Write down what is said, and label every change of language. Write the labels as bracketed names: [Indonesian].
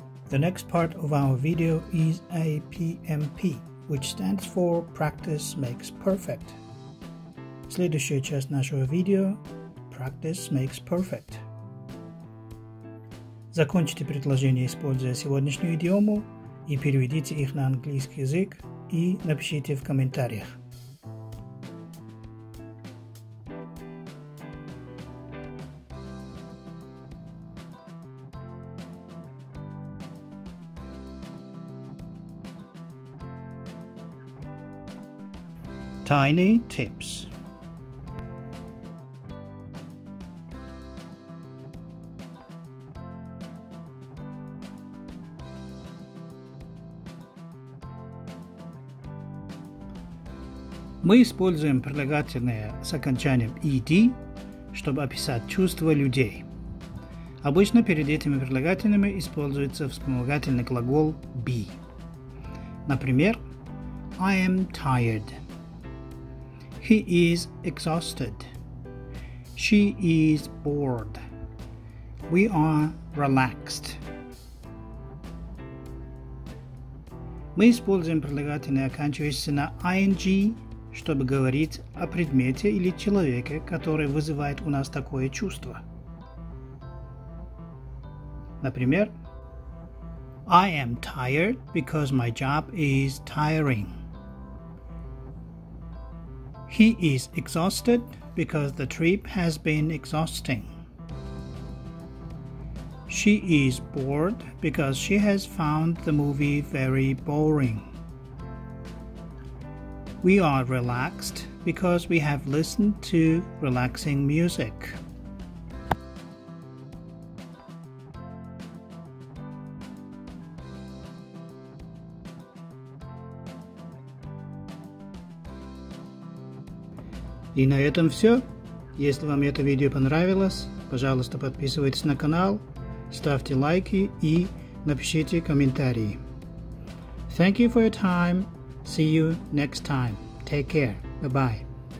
[English] The next part of our video is a PMP, which stands for Practice Makes Perfect. [Russian] Следующая часть нашего видео – Practice Makes Perfect. Закончите предложение, используя сегодняшнюю идиому, и переведите их на английский язык и напишите в комментариях. [English] Tiny tips. [Russian] Мы используем прилагательное с окончанием ed, чтобы описать чувства людей. Обычно перед этими прилагательными используется вспомогательный глагол be. [English] Например, I am tired. He is exhausted. She is bored. We are relaxed. [Russian] Мы используем прилагательные, оканчивающиеся на ing, чтобы говорить о предмете или человеке, который вызывает у нас такое чувство. [English] Например, I am tired because my job is tiring. He is exhausted because the trip has been exhausting. She is bored because she has found the movie very boring. We are relaxed because we have listened to relaxing music. [Russian] И на этом все. Если вам это видео понравилось, пожалуйста, подписывайтесь на канал, ставьте лайки и напишите комментарии. [English] Thank you for your time. See you next time. Take care. Bye-bye.